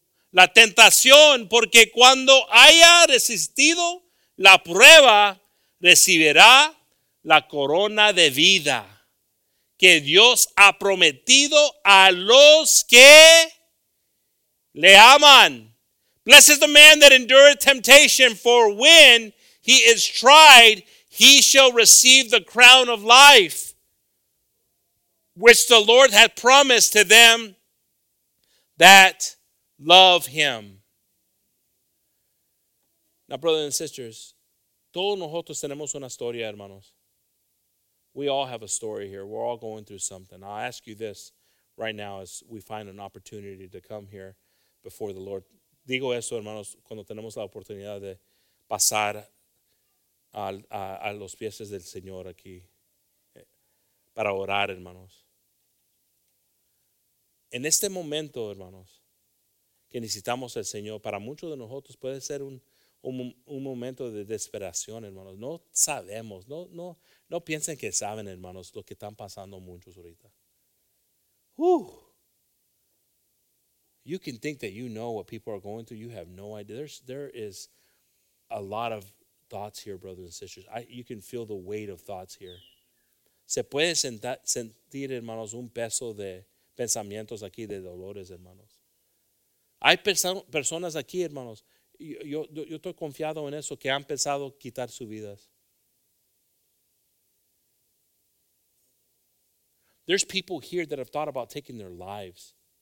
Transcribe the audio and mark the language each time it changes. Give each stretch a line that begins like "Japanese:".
Spanish: La tentación, porque cuando haya resistido la prueba, recibirá la corona de vida que Dios ha prometido a los que le aman.
English: Blessed is the man that endureth temptation, for when he is tried, he shall receive the crown of life, which the Lord hath promised to them that love him. Now, brothers and sisters,
Spanish: todos nosotros tenemos una historia, hermanos.
English: We all have a story here. We're all going through something. I'll ask you this right now as we find an opportunity to come here before the Lord.
Spanish: Digo esto, hermanos, cuando tenemos la oportunidad de pasar a los pies del Señor aquí para orar, hermanos. En este momento, hermanos, que necesitamos el Señor, para muchos de nosotros puede ser un momento de desesperación, hermanos. No sabemos, no piensen que saben, hermanos, lo que están pasando muchos ahorita.
English: You can think that you know what people are going through. You have no idea. There is a lot of thoughts here, brothers and sisters. You can feel the weight of thoughts here.
Spanish: Se puede sentir, hermanos, un peso de pensamientos aquí, de dolores, hermanos. Hay personas aquí, hermanos, yo estoy confiado en eso, que han pensado quitar sus vidas.
English: There's people here that have thought about taking their lives.